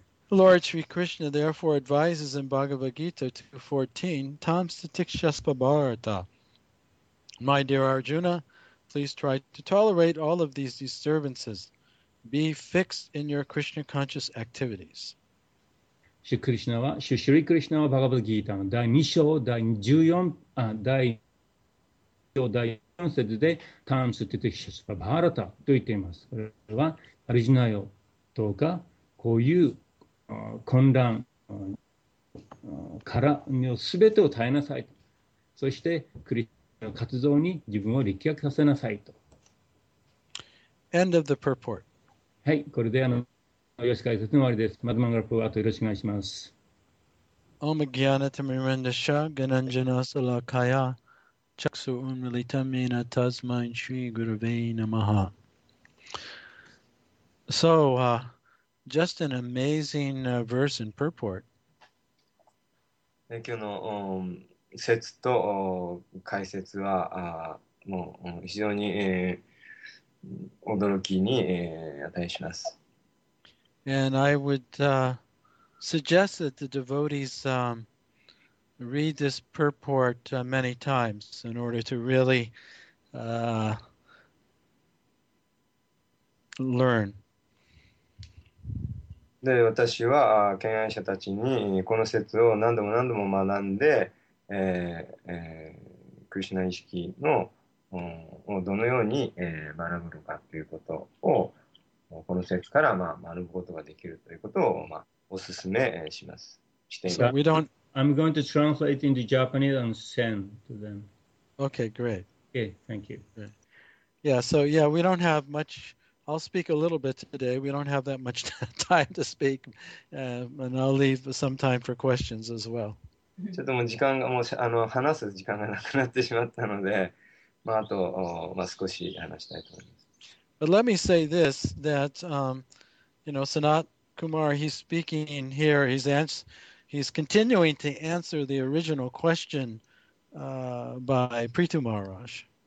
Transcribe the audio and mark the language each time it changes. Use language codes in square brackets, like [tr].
[en] Lord Sri Krishna therefore advises in Bhagavad Gita 2.14 [sa] Tamsa Tikshaspa Bharata [en] My dear Arjuna, please try to tolerate all of these disturbances. Be fixed in your Krishna conscious activities. [ja] シュクリシナは、シュシュリクリシナはバガバドギータの第2章第14、第2章第4節でタームスティティシスパバハラタと言っています。これはアルジュナよ、どうかこういう混乱からの全てを耐えなさいと、そしてクリシナの活動に自分を力学させなさいと。 [en] End of the purport. [ja] はい、これでよし解説の終わりです。マドマンガラプーあとよろしくお願いします。 [sa] オムギアナタミランダシャガナンジナサラカヤチャクスウンミリタミナタズマインシュイグルヴェイナマハ。 [en] So just an amazing verse in purport. [ja] 今日の説と解説はもう非常に驚きに値します。 [en] And I would suggest that the devotees read this purport many times in order to really learn. [ja] で、私は懸案者たちにこの説を何度も何度も学んで、クリシュナ意識のをどのように学ぶのかということをこの説から、学ぶことができるということを、お勧めします。 [en] I'm going to translate into Japanese and send to them. Okay, great. Okay, thank you. Yeah, so yeah, we don't have much. I'll speak a little bit today. We don't have that much time to speak. And I'll leave some time for questions as well. [ja] ちょっともう時間がもう話す時間がなくなってしまったので、あと、少し話したいと思います。 [en] But let me say this, that, Sanat Kumar, he's speaking here, he's continuing to answer the original question by Prithu Maharaj.